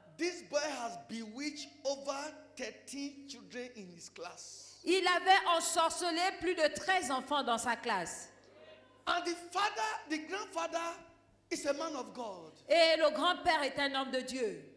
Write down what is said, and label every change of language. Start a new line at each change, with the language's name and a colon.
English: This boy has bewitched over 13 children in his class.
French: Il avait ensorcelé plus de 13 enfants dans sa classe.
English: And the father, the grandfather is a man of God.
French: Et le grand-père est un homme de Dieu.